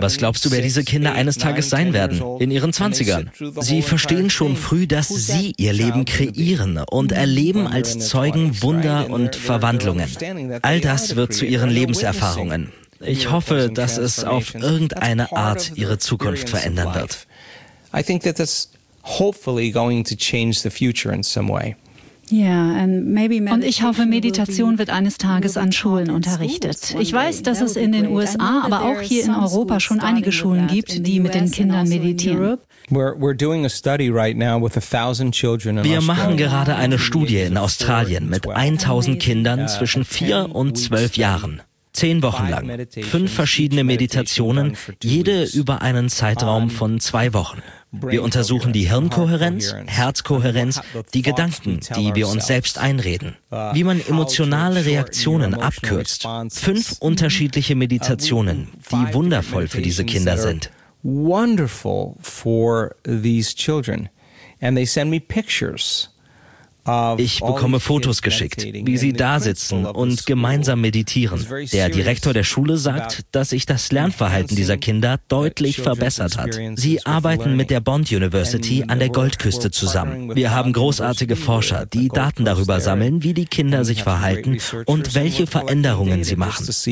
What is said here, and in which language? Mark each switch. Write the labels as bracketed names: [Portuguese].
[German] Was glaubst du, wer diese Kinder eines Tages sein werden? In ihren 20ern. Sie verstehen schon früh, dass sie ihr Leben kreieren und erleben als Zeugen Wunder und Verwandlungen. All das wird zu ihren Lebenserfahrungen. Ich hoffe, dass es auf irgendeine Art ihre Zukunft verändern wird. [English] I think that that's hopefully going to change the future in some way. Yeah, and maybe [German] und ich hoffe, Meditation wird eines Tages an Schulen unterrichtet. Ich weiß, dass es in den USA, aber auch hier in Europa schon einige Schulen gibt, die mit den Kindern meditieren. Wir machen gerade eine Studie in Australien mit 1000 Kindern zwischen 4 und 12 Jahren. 10 Wochen lang, 5 verschiedene Meditationen, jede über einen Zeitraum von 2 Wochen. Wir untersuchen die Hirnkohärenz, Herzkohärenz, die Gedanken, die wir uns selbst einreden, wie man emotionale Reaktionen abkürzt. 5 unterschiedliche Meditationen, die wundervoll für diese Kinder sind. [English] Wonderful for these children. And they send me pictures. [German] Ich bekomme Fotos geschickt, wie sie da sitzen und gemeinsam meditieren. Der Direktor der Schule sagt, dass sich das Lernverhalten dieser Kinder deutlich verbessert hat. Sie arbeiten mit der Bond University an der Goldküste zusammen. Wir haben großartige Forscher, die Daten darüber sammeln, wie die Kinder sich verhalten und welche Veränderungen sie machen.